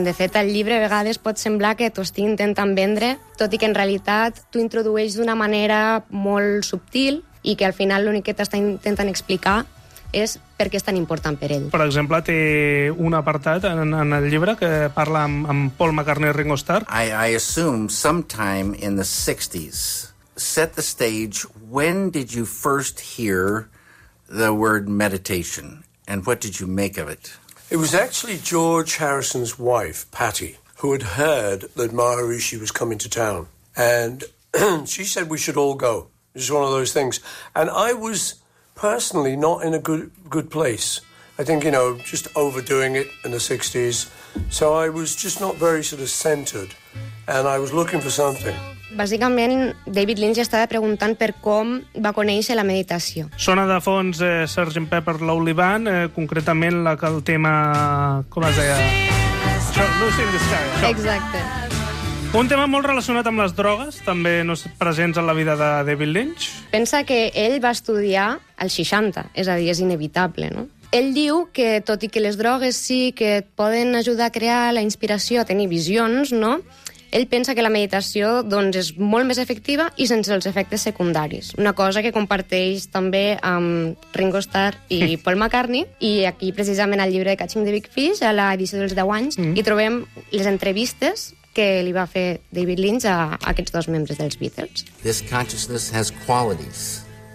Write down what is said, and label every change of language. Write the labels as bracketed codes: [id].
[ca] De fet, el llibre a vegades pot semblar que t'ho estigui intentant vendre, tot i que en realitat t'ho introdueix d'una manera molt subtil i que al final l'únic que t'està intentant explicar és per què és tan important per ell. Per exemple, té un apartat en el llibre que parla amb Paul McCartney i Ringo Starr. [en] I assume sometime in the 60s, set the stage, when did you first hear the word meditation and what did you make of it? It was actually George Harrison's wife, Patty, who had heard that Maharishi was coming to town. And she said we should all go. It's one of those things. And I was personally not in a good place. I think, you know, just overdoing it in the 60s. So I was just not very sort of centered and I was looking for something. [ca] Bàsicament, David Lynch estava preguntant per com va conèixer la meditació. Sona de fons Sgt. Pepper Lonely Band, concretament el tema, com es deia? Lucy in the Sky. Exacte. Un tema molt relacionat amb les drogues, també no presents en la vida de David Lynch. Pensa que ell va estudiar als 60, és a dir, és inevitable, no? Ell diu que, tot i que les drogues sí que et poden ajudar a crear la inspiració, a tenir visions, no? Ell pensa que la meditació, doncs, és molt més efectiva i sense els efectes secundaris. Una cosa que comparteix també amb Ringo Starr i Paul McCartney. I aquí, precisament, al llibre de Catching the Big Fish, a l'edició dels 10 anys, hi trobem les entrevistes que li va fer David Lynch a aquests dos membres dels Beatles. [en] This consciousness has qualities.